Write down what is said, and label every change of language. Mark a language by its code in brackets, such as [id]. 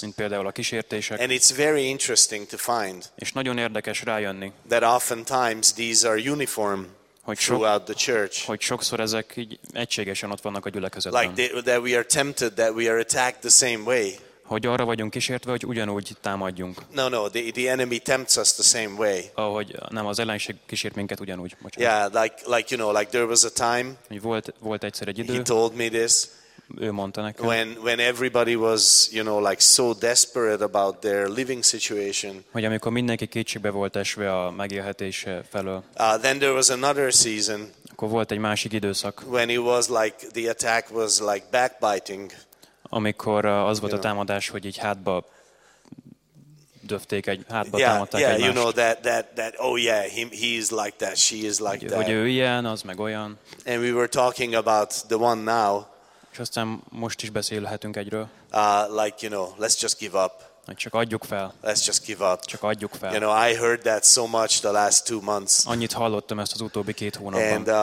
[hu] Mint például a kísértések. [en] And it's very interesting to find. [hu] És nagyon érdekes rájönni. [en] That oftentimes these are uniform. Throughout the church. [hu] Hogy sokszor ezek így egységesen ott vannak a gyülekezetben. [en] Like that we are tempted, that we are attacked the same way. [hu] Hogy arra vagyunk kísértve, hogy ugyanúgy támadjunk. [en] No, the enemy tempts us the same way. [hu] Ahogy nem, az ellenség kísért minket ugyanúgy. Bocsánat. [en] Yeah, like there was a time. [hu] Volt egyszer egy idő. [en] He told me this. [hu] Ő mondta nekem. [en] When everybody was, you know, like so desperate about their living situation. [hu] Hogy amikor mindenki kétségbe volt esve a megélhetése felől. [en] Then there was another season. [hu] Akkor volt egy másik időszak. [en] When it was like the attack was like backbiting. [hu] Amikor az volt a támadás, hogy így hátba döfték egy hátba támadták egymást. [en] Yeah, you know that oh yeah, he is like that, she is like that. [hu] Hogy ő ilyen, az meg olyan. [en] And we were talking about the one now. [hu] És aztán most is beszélhetünk egyről. [en] Like, you know, let's just give up. [hu] Csak adjuk fel. [en] Let's just give up. [hu] Csak adjuk fel. [en] You know, I heard that so much the last 2 months. [hu] Annyit hallottam ezt az utóbbi 2 hónapban.